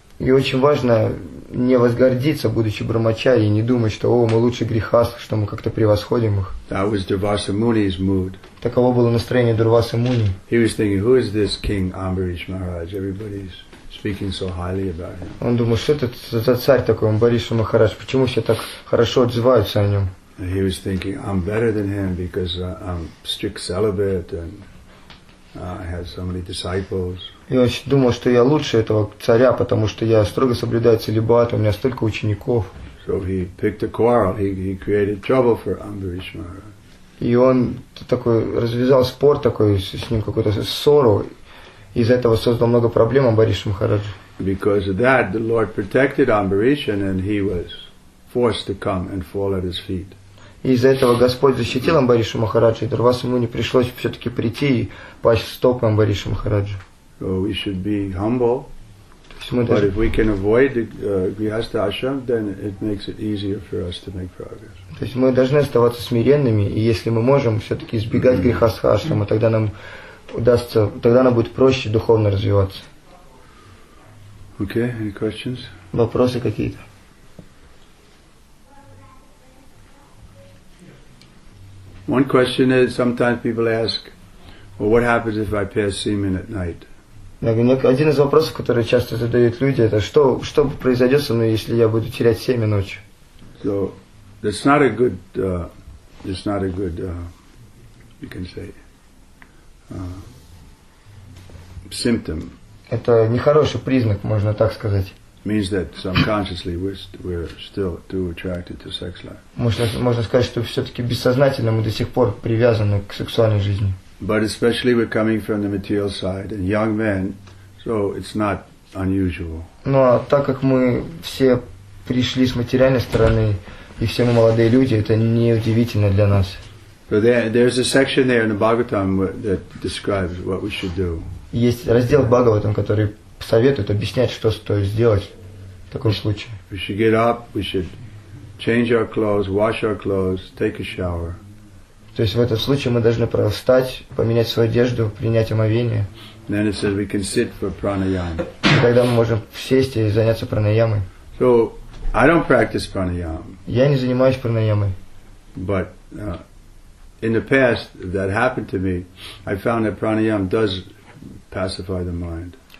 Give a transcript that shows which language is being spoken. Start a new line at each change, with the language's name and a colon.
Russian: И очень важно не возгордиться, будучи брахмачари, и не думать, что о, мы лучше грехаст, что мы как-то превосходим их.
English: That was Durvasa Muni's mood.
Russian: Таково было настроение Дурвасы Муни.
English: He was thinking, who is this King Ambarish Maharaj? Everybody's speaking so highly about him.
Russian: Он думал, что это за царь такой, Амбариша Махарадж? Почему все так хорошо отзываются о нем?
English: And he was thinking, I'm better than him because I'm strict celibate and I had so many disciples.
Russian: И он думал, что я лучше этого царя, потому что я строго соблюдаю целибат, у меня столько учеников.
English: So he picked a quarrel. He created trouble for Ambarish Maharaj.
Russian: И он такой развязал спор такой с ним какую-то ссору, из-за этого создал много проблем Амбариш Махараджу.
English: Because of that, the Lord protected Ambarish, and he was forced to come and fall at his feet.
Russian: И из-за этого Господь защитил Амбаришу Махараджа, и Дурвасе Муни пришлось все-таки прийти и пасть в стопы Амбаришу Махараджа.
English: So we should be humble.
Russian: То есть что мы должны.
English: But if we can avoid the grihastha ashram, then it makes it easier for us to make progress.
Russian: То есть мы должны оставаться смиренными, и если мы можем все-таки избегать грихастха ашрама, тогда нам удастся, тогда нам будет проще духовно развиваться.
English: Okay, any questions?
Russian: Вопросы какие-то?
English: One question is sometimes people ask, well, what happens if I pass semen at night?
Russian: Один из вопросов, который часто задают люди, это что произойдет со мной, если я буду терять семя ночью?
English: So that's not a good, it's not a good, you can say, symptom.
Russian: Это нехороший признак, можно так сказать.
English: Means that subconsciously we're still too attracted to sex life.
Russian: Можно сказать, что все-таки бессознательно мы до сих пор привязаны к сексуальной жизни.
English: But especially we're coming from the material side, and young men, so it's not unusual.
Russian: Но так как мы все пришли с материальной стороны, и все мы молодые люди, это не удивительно для нас.
English: So there's a section there in the Bhagavatam that describes what we should do.
Russian: Есть раздел Бхагаватам, который советует объяснять, что стоит сделать в таком случае.
English: We should get up, we should change our clothes, wash our clothes, take a shower.
Russian: То есть в этом случае мы должны встать, поменять свою одежду, принять омовение.
English: Then it says we can sit for pranayama.
Russian: И тогда мы можем сесть и заняться пранаямой.
English: So I don't practice pranayama.
Russian: Я не занимаюсь пранаямой.
English: But in the past that happened to me, I found that pranayama does pacify the mind.